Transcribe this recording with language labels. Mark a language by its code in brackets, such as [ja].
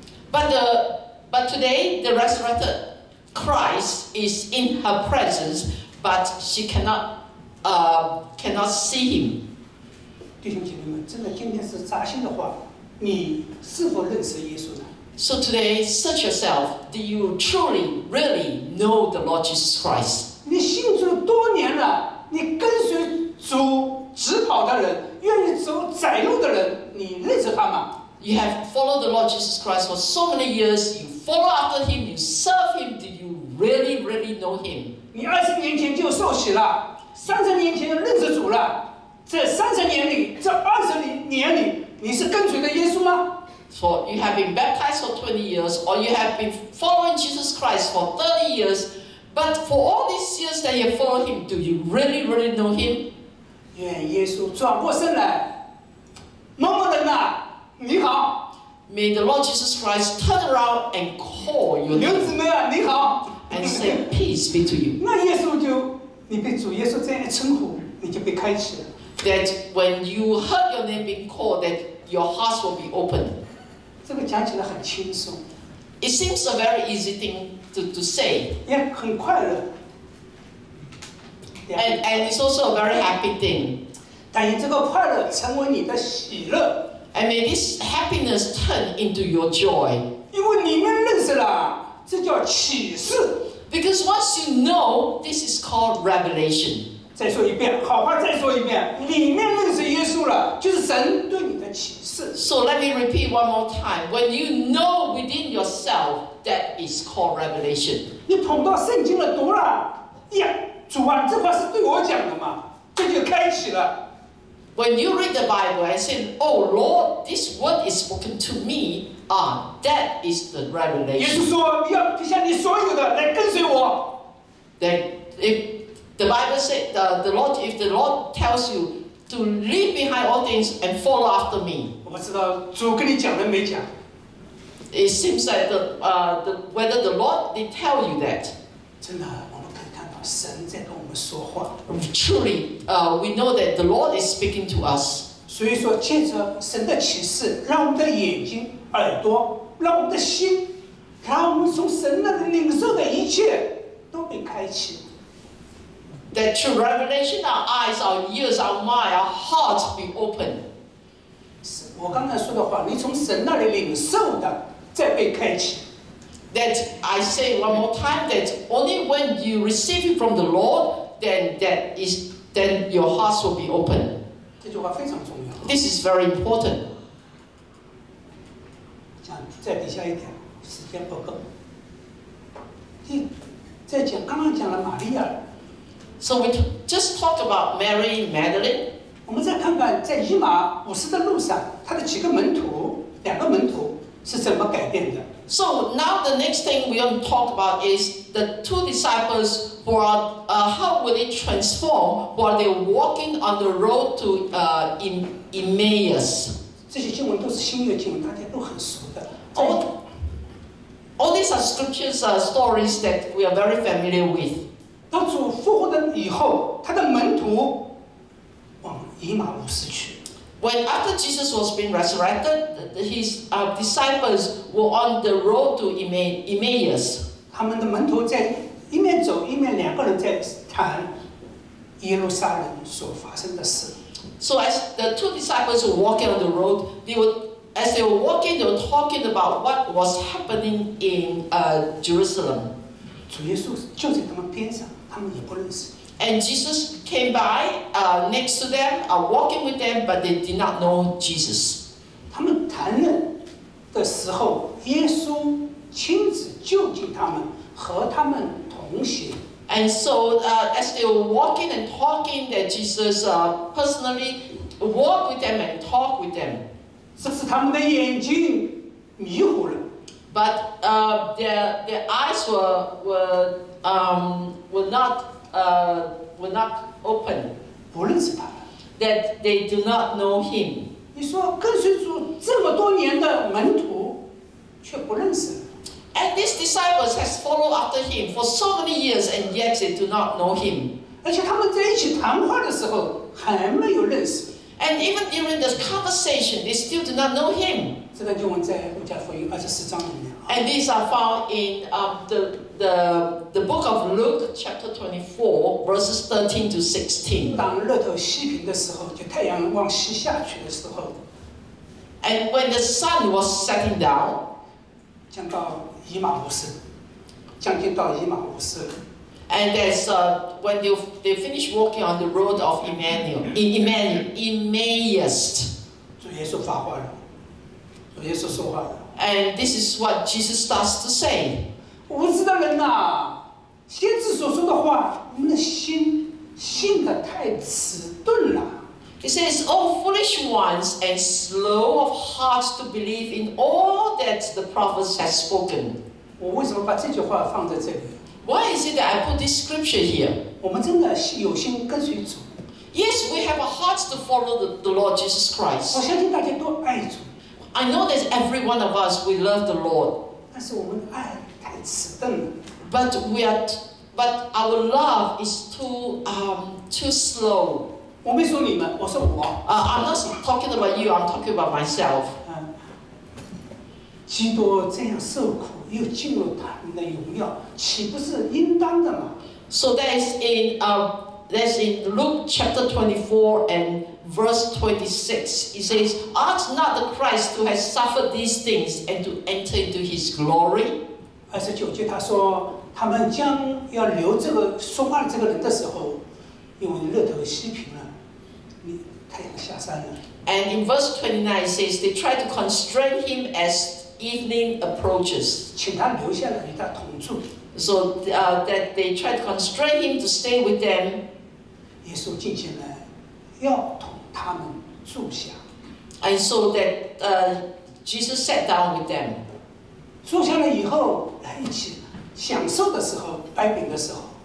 [en] But today the resurrected Christ is in her presence, but she cannot see him. [zh] 弟兄姐妹们，真的今天是扎心的话，你是否认识耶稣呢？ [en] So today, search yourself. Do you truly, really know the Lord Jesus Christ? [zh] 你信主多年了，你跟随主直跑的人，愿意走窄路的人，你认识他吗？ [en] You have followed the Lord Jesus Christ for so many years. You follow after him. You serve him. Do you really, really know him? [zh] 你二十年前就受洗了。三十年前就认识主了，这三十年里，这二十年里，你是跟随的耶稣吗 [en] ？So you have been baptized for 20 years, or you have been following Jesus Christ for 30 years, but for all these years that you follow him, do you really, really know him？ [zh] 愿耶稣转过身来，某某人啊，你好。 [en] May the Lord Jesus Christ turn around and call you. [zh] 刘姊妹啊，你好。 [en] And say peace be to you. [zh] 那耶稣就。你被主耶稣这样一称呼，你就被开启了。 [en] That when you heard your name being called, that your heart will be opened. [zh] 这个讲起来很轻松。 [en] It seems a very easy thing to say. [zh] 也很快乐。 [en] And it's also a very happy thing. [zh] 但愿这个快乐成为你的喜乐。 [en] And may this happiness turn into your joy. [zh] 因为里面认识了，这叫启示。 [en] Because once you know, this is called revelation. [zh] 再说一遍，好话再说一遍。里面认识耶稣了，就是神对你的启示。 [en] So let me repeat one more time. When you know within yourself, that is called revelation. [zh] 你捧到圣经了，读了，呀，主啊，这话是对我讲的嘛？这就开启了。 [en] When you read the Bible and say, "Oh Lord, this word is spoken to me." That is the revelation. [zh] 耶稣说你要撇下你所有的来跟随我。 [en] Then if the Bible said if the Lord tells you to leave behind all things and follow after me. [zh] 我不知道主跟你讲了没讲。 [en] It seems like whether the Lord did tell you that. [zh] 真的，我们可以看到神在跟我们说话。 [en] Truly, we know that the Lord is speaking to us. [zh] 所以说，借着神的启示，让我们的眼睛。耳朵，让我们的心，让我们从神那里领受的一切都被开启。 [en] That through revelation, our eyes, our ears, our mind, our heart be opened. [zh] 我刚才说的话，你从神那里领受的，再被开启。 [en] That I say one more time, that only when you receive it from the Lord, then your hearts will be opened. [zh] 这句话非常重要。 [en] This is very important. [zh] 再底下一点，时间不够。再讲，刚刚讲了玛利亚。 [en] So we just talked about Mary Magdalene. [zh] 我们再看看在以马五十的路上，他的几个门徒，两个门徒是怎么改变的。 [en] So now the next thing we want to talk about is the two disciples who are how will they transform while they're walking on the road to Emmaus. [zh] 这些经文都是新约经文，大家都很熟的。 [en] All these are scriptures, stories that we are very familiar with. [zh] 当主复活的以后，他的门徒往以马忤斯去。 [en] When after Jesus was being resurrected, his disciples were on the road to Emmaus. [zh] 他们的门徒在一面走，一面两个人在谈耶路撒冷所发生的事。 [en] So as the two disciples were walking on the road, they would. As they were walking, they were talking about what was happening in Jerusalem. [zh] 主耶稣就在他们边上，他们也不认识。 [en] And Jesus came by, next to them, walking with them, but they did not know Jesus. [zh] 他们谈论的时候，耶稣亲自就近他们，和他们同行。 [en] And so, as they were walking and talking, that Jesus, personally walked with them and talked with them. [zh] 这是他们的眼睛迷糊了。 [en] But their eyes were not open. [zh] 不认识他。 [en] That they do not know him. [zh] 你说跟随主这么多年的门徒，却不认识。 [en] And these disciples has followed after him for so many years, and yet they do not know him. [zh] 而且他们在一起谈话的时候还没有认识。 [en] And even during this conversation, they still do not know him. [zh] 这个就在路加福音二十四章里面。 [en] And these are found in the book of Luke, chapter 24, verses 13 to 16. [zh] 当日头西平的时候，就太阳往西下去的时候。 [en] And when the sun was setting down, [zh] 将到以马忤寺，将近到以马忤寺。 [en] And that's when they finish walking on the road of Emmaus. [zh] 主耶稣发话了，主耶稣说话了。 [en] And this is what Jesus starts to say. [zh] 无知的人啊，先知所说的话，你们的信的太迟钝了。 [en] He says, "O foolish ones, and slow of heart to believe in all that the prophets have spoken." [zh] 我为什么把这句话放在这里？ [en] Why is it that I put this scripture here? [zh] 我们真的有心跟随主。 [en] Yes, we have a heart to follow the Lord Jesus Christ. [zh] 我相信大家都爱主。 [en] I know that every one of us, we love the Lord. [zh] 但是我们爱太迟钝了。 [en] But our love is too slow. [zh] 我没说你们，我说我。 [en] I'm not talking about you. I'm talking about myself. [zh] 基督这样受苦，又进入他们的荣耀，岂不是应当的吗？ [en] So that's in Luke chapter 24 and verse 26. It says, "Art not the Christ who has suffered these things and to enter into his glory?" [zh] 二十九节他说，他们将要留这个说话的这个人的时候，因为日头西平了，太阳下山了。 [en] And in verse 29 says, they try to constrain him as evening approaches. [zh] 请他留下来与他同住。 [en] So that they tried to constrain him to stay with them. [zh] 耶稣进前来，要同他们住下。 [en] And so that Jesus sat down with them. [zh] 住下来以后，来一起享受的时候，掰饼的时候。